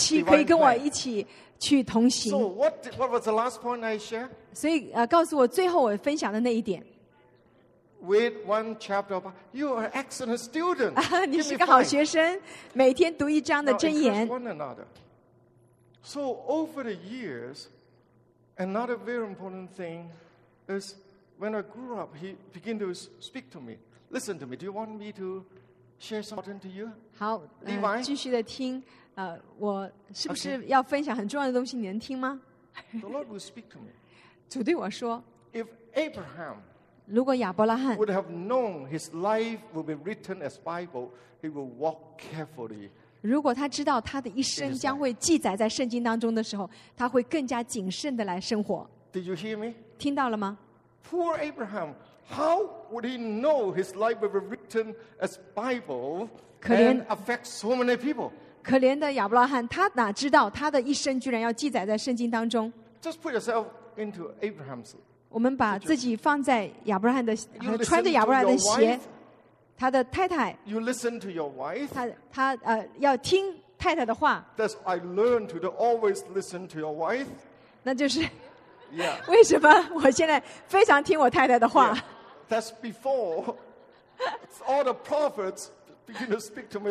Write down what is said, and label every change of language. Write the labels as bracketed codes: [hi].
[zh] 所以因此呢，他就会有这个假期可以跟我一起去同行。So [en] what was the last point I share? [zh] 所以告诉我最后我分享的那一点。 [en] With one chapter of you are an excellent student. [zh] 你是个好学生, 每天读一章的箴言。 [en] Now, encourage one another. So over the years, another very important thing is when I grew up, he began to speak to me. Listen to me. Do you want me to share something to you? [zh] 好, [en] Levi? [zh] 继续地听, 我是不是要分享很重要的东西，你能听吗? [en] The Lord will speak to me. [zh] 主对我说, [en] if Abraham [zh] 如果亚伯拉罕, [en] would have known his life would be written as Bible, he would walk carefully. [zh] 如果他知道他的一生将会记载在圣经当中的时候, 他会更加谨慎地来生活。 [en] Did you hear me? [zh] 听到了吗? [en] Poor Abraham, how would he know his life would be written as Bible [zh] 可怜, [en] and affect so many people? [zh] 可怜的亚伯拉罕, 他哪知道他的一生居然要记载在圣经当中? [en] Just put yourself into Abraham's [zh] 我们把自己放在亚伯拉罕的穿着亚伯拉罕的鞋，他的太太。 [en] You listen to your wife. [zh] 他要听太太的话。 [en] That's I learned to always listen to your wife. [zh] 那就是， [en] yeah. [zh] 为什么我现在非常听我太太的话？ [en] Yeah. That's before all the prophets begin to speak to me.